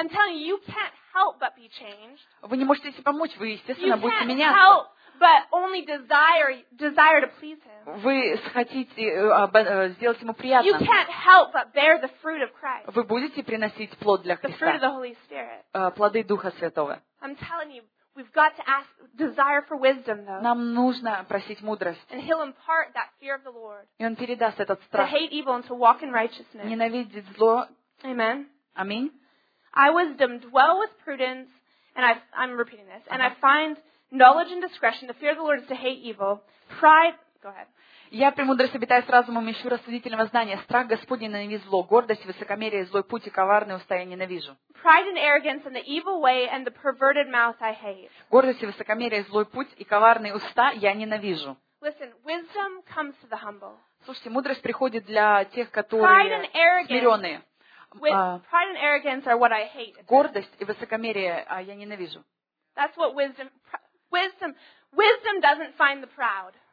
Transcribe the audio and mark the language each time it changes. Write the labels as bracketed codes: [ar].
[en] I'm telling you, you can't help but be changed. [ru] Вы не можете себе помочь, вы естественно [en] you [ru] будете [en] can't [ru] меняться. [en] Help but only desire to please him. [ru] Вы хотите сделать ему приятно. [en] You can't help but bear the fruit of Christ. [ru] Вы будете приносить плод для Христа. [en] The fruit of the Holy Spirit. [ru] Плоды Духа Святого. [en] I'm telling you, we've got to ask desire for wisdom though. [ru] Нам нужно просить мудрость. [en] And he'll impart that fear of the Lord. [ru] И он передаст этот страх. [en] To hate evil and to walk in righteousness. [ru] Ненавидеть зло. [en] Amen. Amen. I wisdom dwell with prudence, and I'm repeating this, and I find knowledge and discretion. The fear of the Lord is to hate evil. Pride. Go ahead. [ru] Я премудрость обитаю с разумом, ищу рассудительного знания. Страх Господень ненавидит зло, гордость, высокомерие, злой путь и коварные уста я ненавижу. [en] Pride and arrogance and the evil way and the perverted mouth I hate. [ru] Гордость и высокомерие, злой путь и коварные уста я ненавижу. [en] Listen, wisdom comes to the humble. [ru] Слушайте, мудрость приходит для тех, которые смиренные. [en] Pride and arrogance are what I hate. [ru] Гордость и высокомерие я ненавижу. [en] That's what wisdom doesn't find the proud.